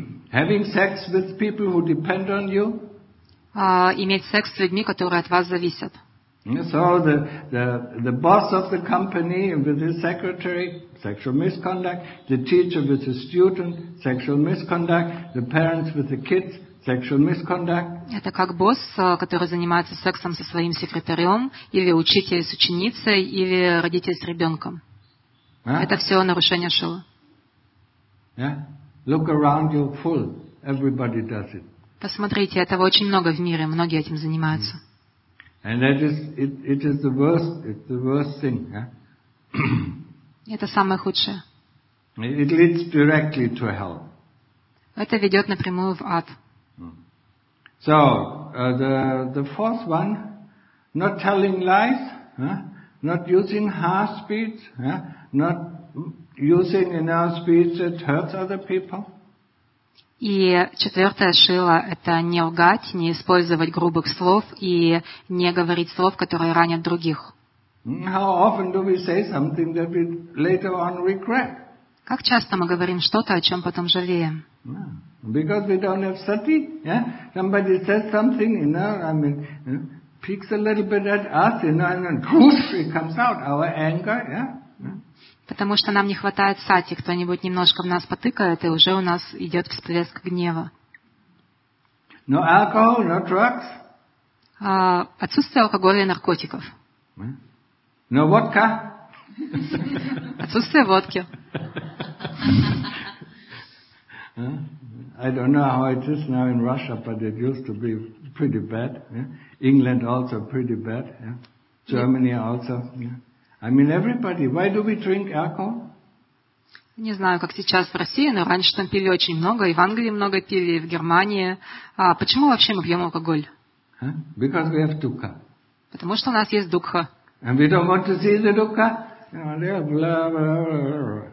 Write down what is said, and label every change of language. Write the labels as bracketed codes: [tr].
[en] Having sex with people who depend on you? [ru] Иметь секс с людьми, которые от вас зависят. [en] So the boss of the company with his secretary, sexual misconduct. The teacher with his student, sexual misconduct. The parents with the kids, sexual misconduct. [ru] Это как босс, который занимается сексом со своим секретарем, или учитель с ученицей, или родитель с ребенком. Это все нарушение шила. [en] Yeah? Look around you, full. Everybody does it. [ru] Посмотрите, этого очень много в мире, многие этим занимаются. [en] And that is it is the worst. It's the worst thing. Yeah? [ru] Это самое худшее. [en] It leads directly to hell. [ru] Это ведет напрямую в ад. [en] So the fourth one, not telling lies, not using harsh speech, not using enough speech that hurts other people. [ru] И четвертое шило – это не лгать, не использовать грубых слов и не говорить слов, которые ранят других. [en] How often do we say something that we later on regret? [ru] Как часто мы говорим что-то, о чем потом жалеем? [en] Yeah. Because we don't have sati. Yeah? Somebody says something, you know, I mean, you know, peeks a little bit at us, you know, and then whoosh, it comes out, our anger, yeah? [ru] Потому что нам не хватает сати, кто-нибудь немножко в нас потыкает, и уже у нас идет всплеск гнева. [en] No alcohol, no drugs. [ru] Отсутствие алкоголя и наркотиков. [en] No vodka. [ru] Отсутствие водки. [en] I don't know how it is now in Russia, but it used to be pretty bad. Yeah? England also pretty bad. Yeah? Germany also. Yeah? I mean, everybody. Why do we drink alcohol? [ru] Не знаю, как сейчас в России, но раньше там пили очень много, и в Англии много пили, и в Германии. Почему вообще мы пьем алкоголь? [en] Because we have dukkha. [ru] Потому что у нас есть дукха. [en] And we don't want to see the dukkha. Blah, blah, blah, blah.